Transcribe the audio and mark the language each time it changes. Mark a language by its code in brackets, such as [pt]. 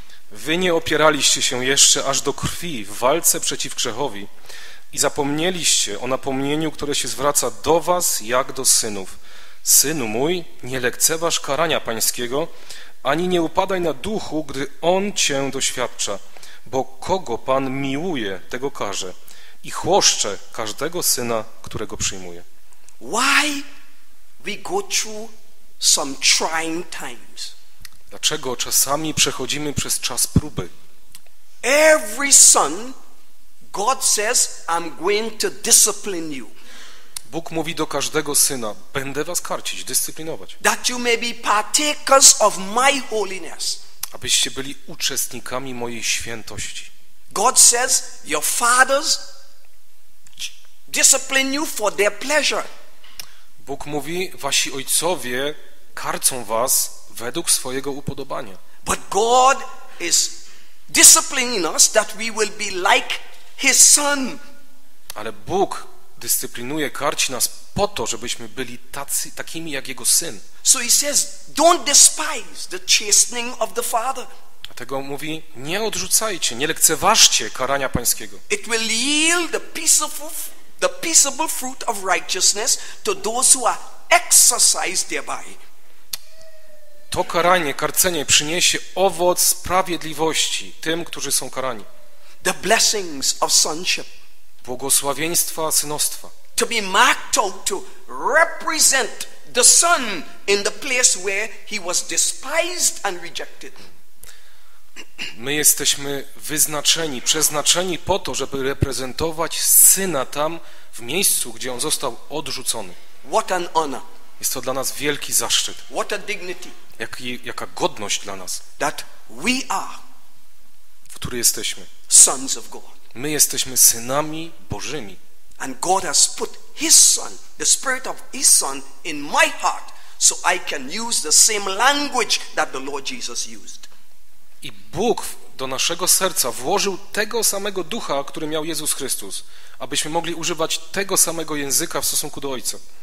[pl] Wy nie opieraliście się jeszcze aż do krwi w walce przeciw grzechowi i zapomnieliście o napomnieniu, które się zwraca do was jak do synów. Synu mój, nie lekceważ karania pańskiego, ani nie upadaj na duchu, gdy on cię doświadcza, bo kogo Pan miłuje, tego karze i chłoszcze każdego syna, którego przyjmuje. [en] Why we go through some trying times? [pl] Dlaczego czasami przechodzimy przez czas próby? [en] Every son, God says, I'm going to discipline you. [pl] Bóg mówi do każdego syna, będę was karcić, dyscyplinować. [en] That you may be partakers of my holiness. [pl] Abyście byli uczestnikami mojej świętości. [en] God says, your fathers discipline you for their pleasure. [pl] Bóg mówi, wasi ojcowie karcą was według swojego upodobania. [en] But God is disciplining us that we will be like his son. [pl] Ale Bóg dyscyplinuje, karci nas po to, żebyśmy byli tacy, takimi jak jego syn. [en] So he says, don't despise the chastening of the father. [pl] Dlatego mówi, nie odrzucajcie, nie lekceważcie karania pańskiego. [en] It will yield the peaceable fruit of righteousness to those who are exercised thereby. [pl] To karanie, karcenie przyniesie owoc sprawiedliwości tym, którzy są karani. [en] The blessings of sonship. [pl] Błogosławieństwa synostwa. [en] To be marked out to represent the son in the place where he was despised and rejected. [pl] My jesteśmy wyznaczeni, przeznaczeni po to, żeby reprezentować syna tam, w miejscu, gdzie on został odrzucony. [en] What an honor. [pl] Jest to dla nas wielki zaszczyt. [en] What a dignity. [pl] Jaka godność dla nas. [en] That we are, [pl] w której jesteśmy, [en] sons of God. [pl] My jesteśmy synami Bożymi. [en] And God has put his son, the spirit of his son in my heart, so I can use the same language that the Lord Jesus used. [pl] I Bóg do naszego serca włożył tego samego ducha, który miał Jezus Chrystus, abyśmy mogli używać tego samego języka w stosunku do Ojca.